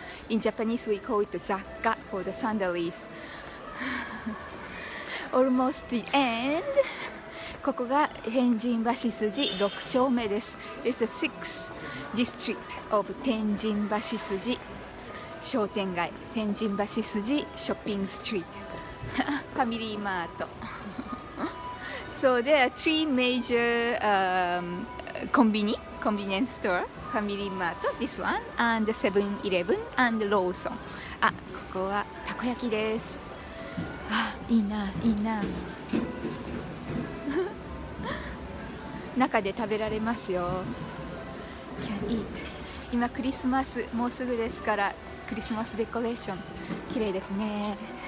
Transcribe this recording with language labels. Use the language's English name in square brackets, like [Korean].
[English] In Japanese, we call it 雑貨 for the sandalies. Almost the end. [Japanese] ここが天神橋筋6丁目です。 [English] It's a sixth district of 天神橋筋商店街。 [Japanese] 天神橋筋ショッピングストリート。ファミリーマート。 [English] So there are three major convenience store, Family Mart, this one, and the 7-Eleven and Lawson. [Japanese] Ah, ここはたこ焼きです。いいな、いいな。中で食べられますよ。 [English] Can eat. [Japanese] 今クリスマス、もうすぐですから、クリスマスデコレーション、綺麗ですね。